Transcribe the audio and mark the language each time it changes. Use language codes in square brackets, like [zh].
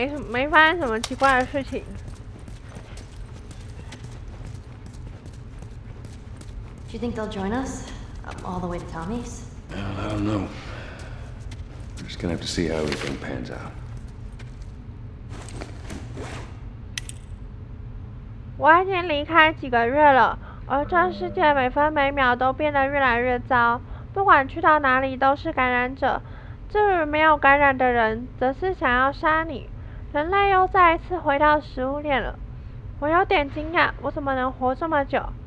[zh] 没发生什么奇怪的事情。 [en] Do you think they'll join us all the way to Tommy's? Well, I don't know. We're just gonna have to see how everything pans out. [zh] Why 已经离开几个月了，而这世界每分每秒都变得越来越糟。不管去到哪里都是感染者，至于没有感染的人，则是想要杀你。人类又再一次回到食物链了，我有点惊讶，我怎么能活这么久？